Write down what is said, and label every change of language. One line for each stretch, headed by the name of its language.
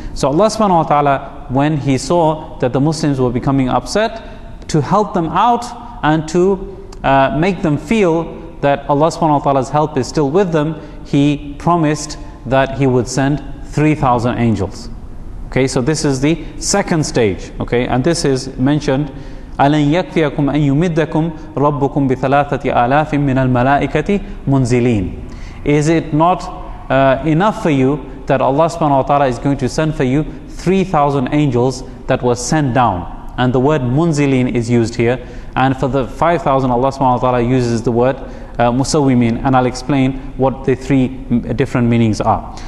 English: So Allah subhanahu wa ta'ala, when He saw that the Muslims were becoming upset, to help them out and to make them feel that Allah subhanahu wa ta'ala's help is still with them, He promised that He would send 3,000 angels. Okay, so this is the second stage. Okay, and this is mentioned,
Arabic: أَلَنْ يَكْفِيَكُمْ أَنْ يُمِدَّكُمْ رَبُّكُمْ بِثَلَاثَةِ آلَافٍ مِّنَ الْمَلَائِكَةِ مُنزِلِينَ.
English: Is it not enough for you that Allah subhanahu wa ta'ala is going to send for you 3,000 angels that were sent down? And the word munzilin is used here. And for the 5,000, Allah subhanahu wa ta'ala uses the word musawwimin. And I'll explain what the three different meanings are.